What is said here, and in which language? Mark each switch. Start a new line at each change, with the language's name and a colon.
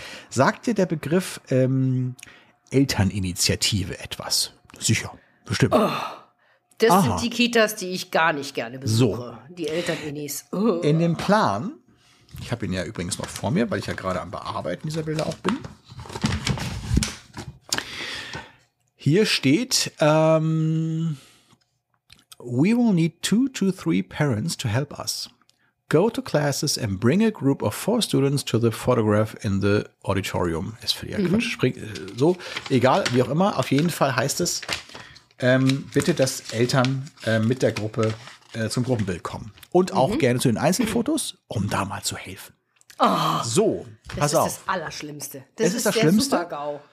German: Sagt dir der Begriff Elterninitiative etwas? Sicher, bestimmt. Oh, das aha. Sind die Kitas, die ich gar nicht gerne besuche. So. Die Elterninis. Oh. In dem Plan, ich habe ihn ja übrigens noch vor mir, weil ich ja gerade am Bearbeiten dieser Bilder auch bin. Hier steht,
English: we will need 2 to 3 parents to help us. Go to classes and bring a group of 4 students to the photograph in the auditorium.
German: Ist für die Quatsch. Sprich, so, egal, wie auch immer. Auf jeden Fall heißt es, bitte, dass Eltern mit der Gruppe zum Gruppenbild kommen. Und auch gerne zu den Einzelfotos, um da mal zu helfen. Oh, so, pass auf. Das ist das Allerschlimmste. Das ist das Schlimmste. Super-GAU.